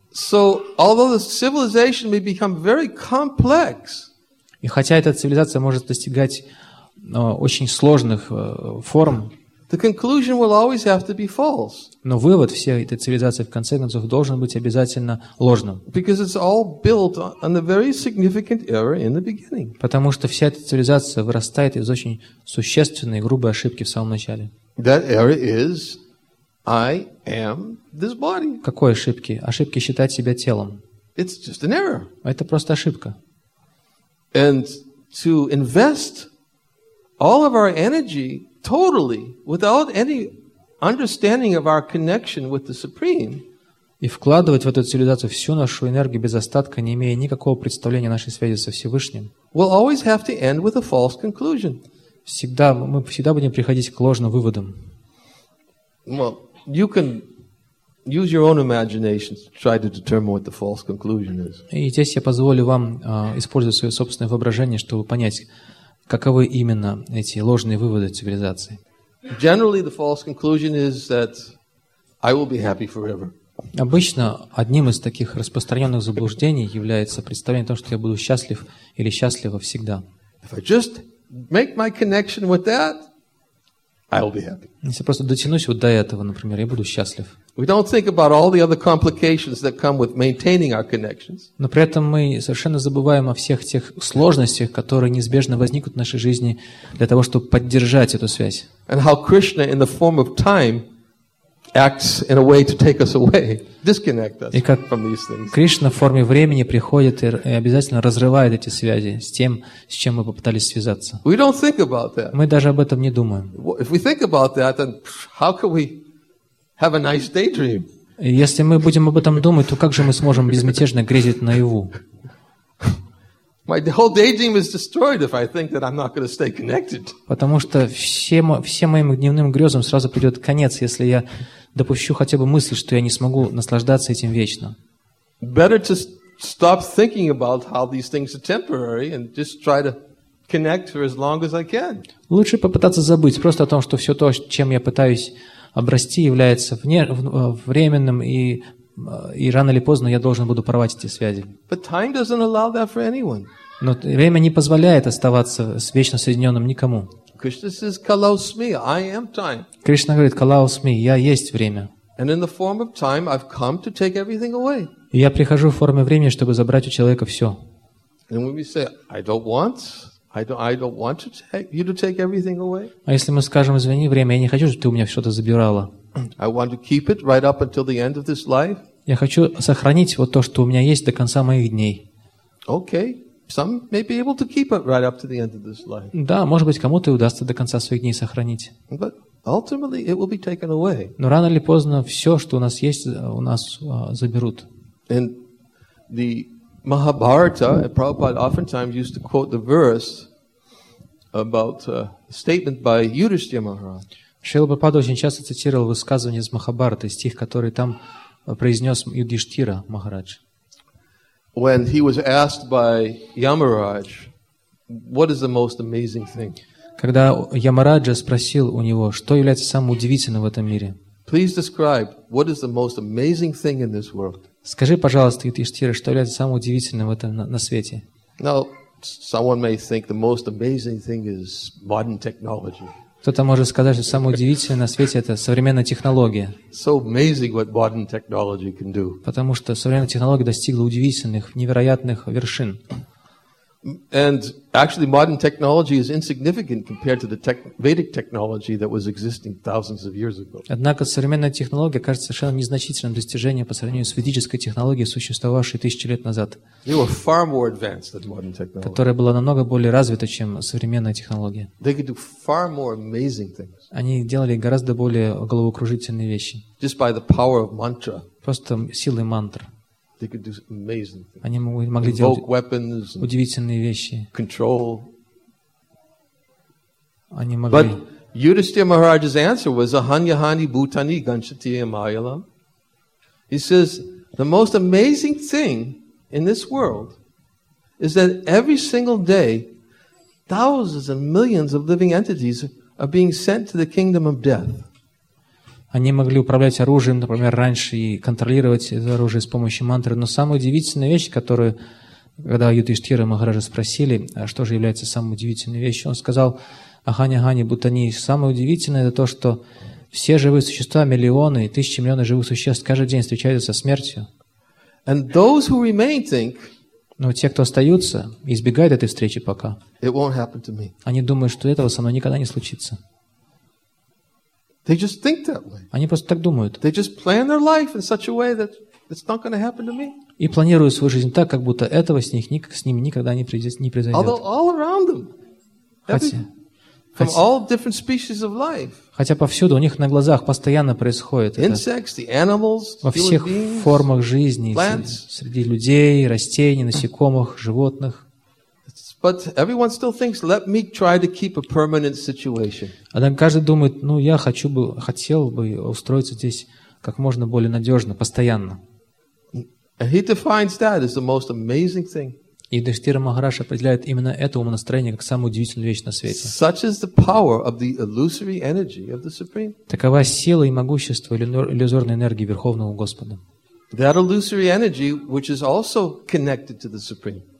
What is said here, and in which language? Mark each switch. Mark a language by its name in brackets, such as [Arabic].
[English] So, although the civilization may become very complex, [Russian] и хотя эта цивилизация может достигать очень сложных форм, [English] the conclusion will always have to be false. [Russian] Но вывод всей этой цивилизации в конце концов должен быть обязательно ложным. [English] Because it's all built on a very significant error in the beginning. [Russian] Потому что вся эта цивилизация вырастает из очень существенной грубой ошибки в самом начале. [English] That error is I am this body. [Russian] Какой ошибки? Ошибки считать себя телом. [English] It's just an error. [Russian] Это просто ошибка. [English] And to invest all of our energy totally, without any understanding of our connection with the Supreme. [Russian] И вкладывать в эту цивилизацию всю нашу энергию без остатка, не имея никакого представления о нашей связи со Всевышним. [English] We'll always have to end with a false conclusion. [Russian] Всегда мы всегда будем приходить к ложным выводам. [English] Well, you can use your own imagination to try to determine what the false conclusion is. [Russian] И здесь я позволю вам использовать свое собственное воображение, чтобы понять, каковы именно эти ложные выводы цивилизации? [English] Generally, the false conclusion is that I will be happy forever. [Russian] Обычно одним из таких распространенных заблуждений является представление о том, что я буду счастлив или счастлива всегда. [English] If I just make my connection with that, I will be happy. [Russian] Если я просто дотянусь вот до этого, например, я буду счастлив. [English] We don't think about all the other complications that come with maintaining our connections. [Russian] Но при этом мы совершенно забываем о всех тех сложностях, которые неизбежно возникнут в нашей жизни для того, чтобы поддержать эту связь. [English] And how Krishna, in the form of time, acts in a way to take us away, disconnect us from these things. [Russian] И как Кришна в форме времени приходит и обязательно разрывает эти связи с тем, с чем мы попытались связаться. [English] We don't think about that. [Russian] Мы даже об этом не думаем. [English] If we think about that, then how can we have a nice daydream? [Russian] Если мы будем об этом думать, то как же мы сможем безмятежно грезить наяву? [English] My whole daydream is destroyed if I think that I'm not going to stay connected. [Russian] Потому что все моим дневным грезам сразу придет конец, если я допущу хотя бы мысль, что я не смогу наслаждаться этим вечно. [English] Better to stop thinking about how these things are temporary and just try to connect for as long as I can. [Russian] Лучше попытаться забыть просто о том, что все то, чем я пытаюсь обрасти, является временным, и рано или поздно я должен буду порвать эти связи. [English] But time doesn't allow that for anyone. [Russian] Но время не позволяет оставаться вечно соединенным никому. [English] Krishna says, [Sanskrit] Kalau smi, [English] I am time. [Russian] Кришна говорит, [Sanskrit] Kalau smi, [Russian] я есть время. [English] And in the form of time, I've come to take everything away. [Russian] И я прихожу в форме времени, чтобы забрать у человека все. [English] And when we say, I don't want you to take everything away. [Russian] А если мы скажем, извини, время, я не хочу, чтобы ты у меня что-то забирала. [English] I want to keep it right up until the end of this life. [Russian] Я хочу сохранить вот то, что у меня есть до конца моих дней. [English] Okay. Some may be able to keep it right up to the end of this life. [Russian] Да, может быть, кому-то и удастся до конца своих дней сохранить. [English] But ultimately it will be taken away. [Russian] Но рано или поздно все, что у нас есть, у нас заберут. [English] And the Mahabharata, Prabhupada oftentimes used to quote the verse about a statement by Yudhishthira Maharaj. [Russian] Шрила Прабхупада очень часто цитировал высказывание из Махабхараты, стих, который там произнес Юдиштира Махарадж. [English] When he was asked by Yamaraj, what is the most amazing thing? [Russian] Когда Ямараджа спросил у него, что является самым удивительным в этом мире? [English] Please describe what is the most amazing thing in this world. [Russian] Скажи, пожалуйста, Юдиштира, что является самым удивительным в этом на свете? [English] Now, someone may think the most amazing thing is modern technology. [Russian] Кто-то может сказать, что самое удивительное на свете – это современная технология. [English] So amazing what modern technology can do. [Russian] Потому что современная технология достигла удивительных, невероятных вершин. [English] And actually, modern technology is insignificant compared to the Vedic technology that was existing thousands of years ago. [Russian] Однако современная технология кажется совершенно незначительным достижением по сравнению с ведической технологией, существовавшей тысячи лет назад. [English] They were far more advanced than modern technology. [Russian] Которая была намного более развита, чем современная технология. [English] They could do far more amazing things. [Russian] Они делали гораздо более головокружительные вещи. [English] Just by the power of mantra. [Russian] Просто силой мантр. [English] They could do amazing things. [Russian] Они могли [English] invoke [Russian] делать [English] weapons, [Russian] удивительные вещи. [English] Control. [Russian] Они могли. [English] But Yudhishthira Maharaj's answer was [Sanskrit] Ahanyahani Bhutani Ganshati Mayalam. [English] He says the most amazing thing in this world is that every single day thousands and millions of living entities are being sent to the kingdom of death. [Russian] Они могли управлять оружием, например, раньше и контролировать это оружие с помощью мантры. Но самая удивительная вещь, которую, когда Юдхиштхира Махараджа спросили, что же является самой удивительной вещью, он сказал, Ахани-Ахани, будто они самое удивительное, это то, что все живые существа, миллионы, тысячи миллионов живых существ каждый день встречаются со смертью. [English] And those who remain think, [Russian] но те, кто остаются, избегают этой встречи пока. [English] It won't happen to me. [Russian] Они думают, что этого со мной никогда не случится. [English] They just think that way. [Russian] Они просто так думают. [English] They just plan their life in such a way that it's not going to happen to me. [Russian] И планируют свою жизнь так, как будто этого с ними никогда не произойдет. [English] Although all around them, from all different species of life. [Russian] Хотя повсюду у них на глазах постоянно происходит это. [English] Insects, the animals, [Russian] во всех формах жизни, [English] plants, [Russian] среди людей, растений, насекомых, животных. [English] But everyone still thinks, let me try to keep a permanent situation. [Russian] Однако каждый думает, ну я хотел бы устроиться здесь как можно более надежно, постоянно. [English] And he defines that as the most amazing thing. [Russian] И Юдхиштхира Махарадж определяет именно это умонастроение как самую удивительную вещь на свете. [English] Such is the power of the illusory energy of the Supreme. [Russian] Такова сила и могущество иллюзорной энергии Верховного Господа. [English] That illusory energy, which is also connected to the Supreme.